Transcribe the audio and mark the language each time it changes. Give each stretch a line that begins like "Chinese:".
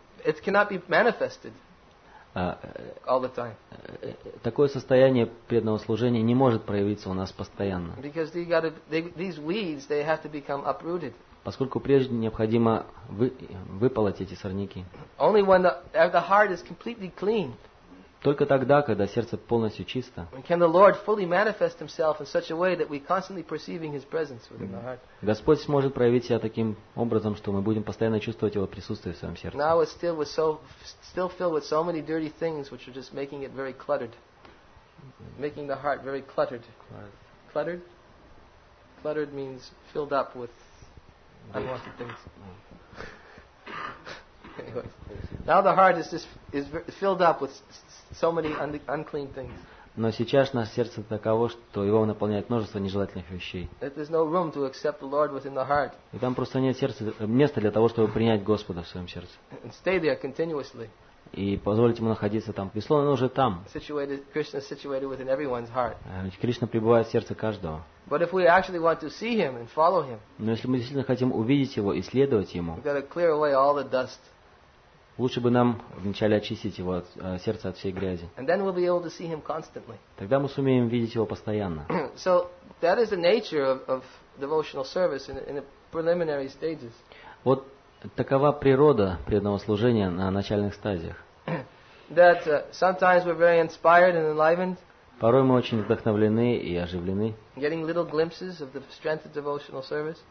English: It cannot be manifested all the time.
Russian: Такое состояние преданного служения не может проявиться у нас постоянно.
English: Because these weeds, they have to become uprooted.
Russian: Поскольку прежде необходимо выполоть эти сорняки.
English: Only when the heart is completely clean.
Russian: Только тогда, когда сердце полностью чисто.
English: Can the Lord fully manifest Himself in such a way that we constantly perceiving His presence within the heart?
Russian: Господь сможет проявить себя таким образом, что мы будем постоянно чувствовать Его присутствие в своем сердце.
English: Now it's still filled with so many dirty things, which are just making it very cluttered, making the heart very cluttered. Cluttered. Cluttered means filled up with unwanted things. Anyway, now the heart is filled up with so many unclean things.
Russian: Но сейчас наше сердце таково, что его наполняет множество нежелательных вещей.
English: There's no room to accept the Lord within the heart.
Russian: И там просто нет сердца места для того, чтобы принять Господа в своем сердце.
English: And stay there continuously.
Russian: И позволить ему находиться там. Безусловно, он уже там.
English: Krishna is situated within everyone's heart.
Russian: Кришна пребывает в сердце каждого.
English: But if we actually want to see Him and follow Him.
Russian: Но если мы действительно хотим увидеть Его и следовать Ему.
English: We've got to clear away all the dust.
Russian: Лучше бы нам вначале очистить его сердце от всей грязи.
English: And then we'll be able to see him constantly.
Russian: Тогда мы сумеем видеть его постоянно.
English: So that is the nature of devotional service in the preliminary stages.
Russian: Вот такова природа преданного служения на начальных стадиях.
English: That sometimes we're very inspired and enlivened.
Russian: Порой мы очень вдохновлены и оживлены.
English: Getting little glimpses of the strength of devotional service.